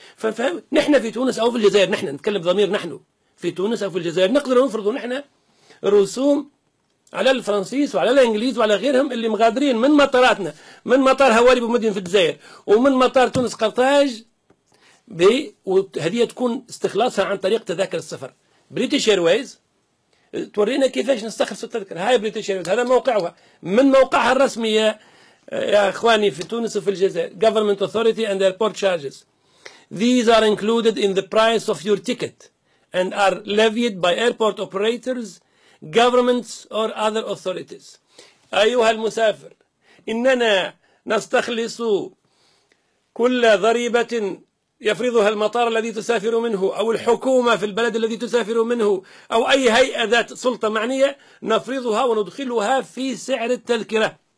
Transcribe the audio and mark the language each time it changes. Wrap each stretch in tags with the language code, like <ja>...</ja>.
<ar>فنحن في تونس او في الجزائر، نحن نتكلم بضمير نحن في تونس او في الجزائر، نقدر نفرض نحن رسوم على الفرنسيس وعلى الانجليز وعلى غيرهم اللي مغادرين من مطاراتنا، من مطار هواري بومدين في الجزائر ومن مطار تونس قرطاج، وهذه تكون استخلاصها عن طريق تذاكر السفر. بريتيش ايرويز تورينا كيفاش نستخلص التذكره، هاي بريتيش ايرويز هذا موقعها، من موقعها الرسمي يا اخواني في تونس وفي الجزائر.</ar> <en>Government authority and airport charges. These are included in the price of your ticket and are levied by airport operators, governments or other authorities.</en> <ar>ايها المسافر، اننا نستخلص كل ضريبه يفرضها المطار الذي تسافر منه أو الحكومة في البلد الذي تسافر منه أو أي هيئة ذات سلطة معنية نفرضها وندخلها في سعر التذكرة.</ar>